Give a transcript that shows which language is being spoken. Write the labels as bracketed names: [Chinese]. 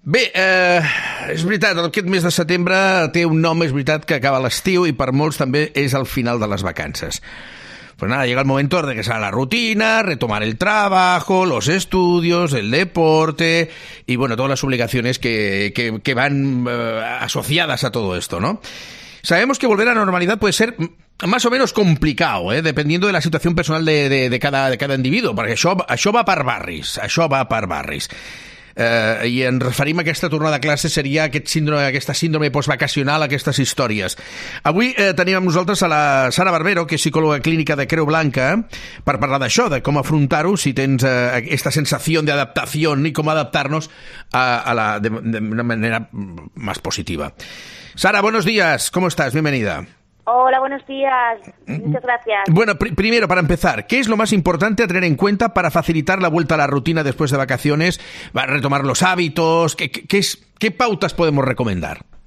[Catalan] Bé, és veritat, el aquest mes de setembre té un nom, és veritat, que acaba l'estiu i per molts també és el final de les vacances. [Spanish] Pues nada, llega el momento de regresar a la rutina, retomar el trabajo, los estudios, el deporte y bueno, todas las obligaciones que van asociadas a todo esto, ¿no? Sabemos que volver a la normalidad puede ser más o menos complicado, ¿eh? Dependiendo de la situación personal de cada individuo, porque [Catalan] això va per barris, això va per barris. I ens referim a aquesta tornada a classe, seria aquesta síndrome postvacacional, aquestes històries. Avui tenim amb nosaltres a la Sara Barbero, que és psicòloga clínica de Creu Blanca, per parlar d'això, de com afrontar-ho, si tens aquesta sensació d'adaptació i com adaptar-nos de manera més positiva. [Spanish] Sara, buenos días, ¿cómo estás? Bienvenida. Hola, buenos días. Muchas gracias. Bueno, primero, para empezar, ¿qué es lo más importante a tener en cuenta para facilitar la vuelta a la rutina después de vacaciones? ¿Para retomar los hábitos? ¿Qué pautas podemos recomendar?